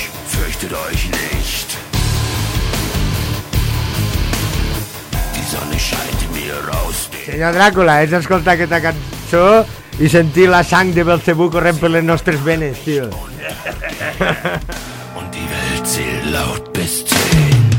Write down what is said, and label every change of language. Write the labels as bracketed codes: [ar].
[de] Fürchtet euch nicht. Die Sonne scheint mir aus dem... [ca] Senyor Dràcula, has escoltat aquesta cançó i sentir la sang de Belzebú corrent per les nostres venes, tio. [de] Und die Welt zählt laut bis 10.